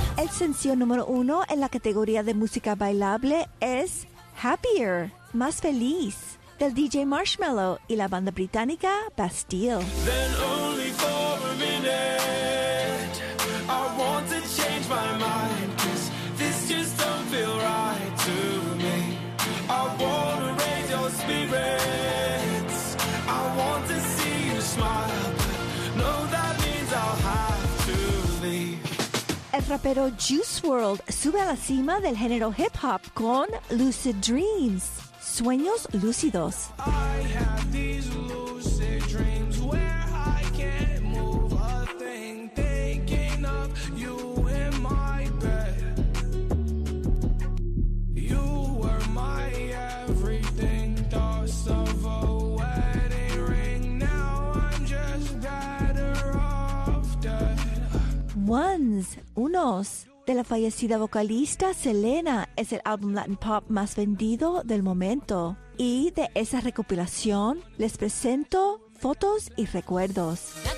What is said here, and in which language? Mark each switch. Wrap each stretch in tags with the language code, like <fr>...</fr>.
<es>Sencillo número uno en la categoría de música bailable es Happier, Más Feliz, del DJ Marshmello y la banda británica Bastille.</es> <en>Then only for a minute, I want to change my mind, 'cause this just don't feel right to me. I want to raise your spirits, I want to see you smile.</en> <es>El rapero Juice WRLD sube a la cima del género hip hop con Lucid Dreams, Sueños Lúcidos.</es> <en>I have these lucid dreams where I can't move a thing, thinking of you in my bed. You were my everything, thoughts of a wedding ring. Now I'm just better off dead. Ones.</en> <es>Unos, de la fallecida vocalista Selena, es el álbum Latin Pop más vendido del momento. Y de esa recopilación, les presento Fotos y Recuerdos.</es>